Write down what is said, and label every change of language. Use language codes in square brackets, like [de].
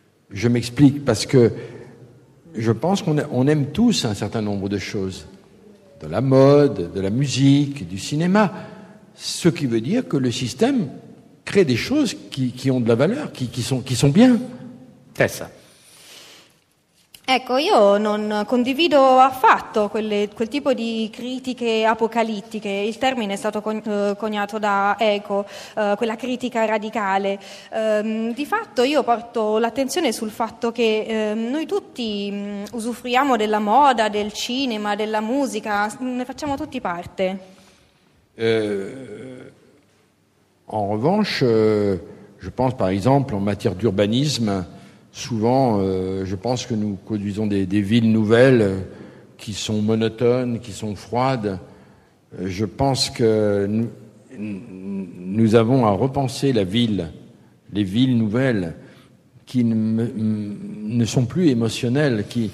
[fr] Je m'explique parce que je pense qu'on aime tous un certain nombre de choses. De la mode, de la musique, du cinéma. Ce qui veut dire que le système crée des choses qui ont de la valeur, qui sont bien. C'est ça. [it] Ecco, io non condivido affatto quel tipo di critiche apocalittiche. Il termine è stato coniato da Eco, quella critica radicale. Di fatto io porto l'attenzione sul fatto che noi tutti usufruiamo della moda, del cinema, della musica, ne facciamo tutti parte. [fr] En revanche, je pense par exemple en matière d'urbanisme, souvent, je pense que nous produisons des villes nouvelles qui sont monotones, qui sont froides. Je pense que nous avons à repenser la ville, les villes nouvelles qui ne sont plus émotionnelles.